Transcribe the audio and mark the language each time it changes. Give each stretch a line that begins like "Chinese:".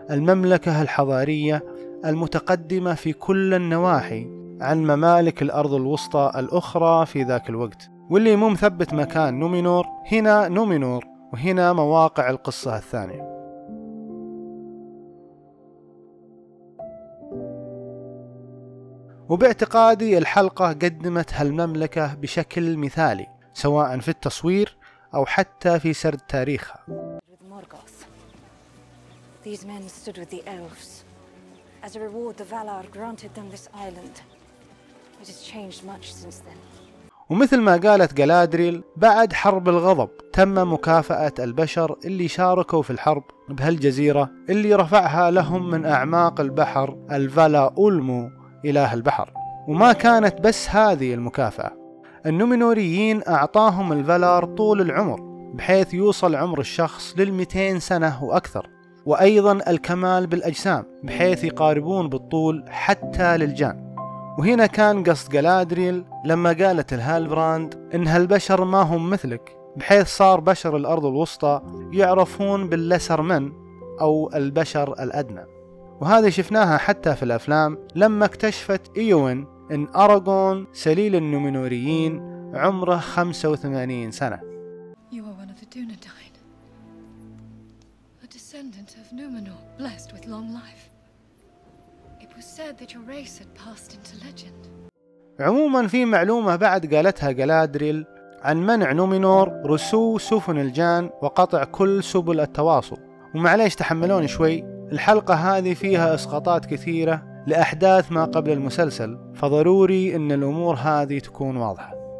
Arabic: المملكة الحضارية المتقدمة في كل النواحي عن ممالك الأرض الوسطى الأخرى في ذاك الوقت، واللي مو مثبت مكان نومينور، هنا نومينور وهنا مواقع القصة الثانية. وباعتقادي الحلقة قدمت هالمملكة بشكل مثالي سواء في التصوير أو حتى في سرد تاريخها.
English: These men stood with the elves. As a reward, the Valar granted them this island. It has changed much since then.
Arabic: ومثل ما قالت جلادريل، بعد حرب الغضب تم مكافأة البشر اللي شاركوا في الحرب بهالجزيرة اللي رفعها لهم من أعماق البحر الفالا أولمو إله البحر. وما كانت بس هذه المكافأة، النومينوريين أعطاهم الفالار طول العمر بحيث يوصل عمر الشخص للمئتين سنة وأكثر، وأيضا الكمال بالأجسام بحيث يقاربون بالطول حتى للجان. وهنا كان قصد جلادريل لما قالت الهالبراند إن هالبشر ما هم مثلك، بحيث صار بشر الأرض الوسطى يعرفون باللسر من أو البشر الأدنى. وهذا شفناها حتى في الأفلام لما اكتشفت إيوين إن أراغون سليل النومينوريين عمره 85 سنة.
English: You are one of the Dunedain, a descendant of Numenor, blessed with long life. It was said that your race had passed into legend.
Arabic: عموما في معلومة بعد قالتها جلادريل عن منع نومينور رسو سفن الجان وقطع كل سبل التواصل. ومعليش تحملوني شوي، الحلقة هذه فيها إسقاطات كثيرة لأحداث ما قبل المسلسل، فضروري أن الأمور هذه تكون واضحة.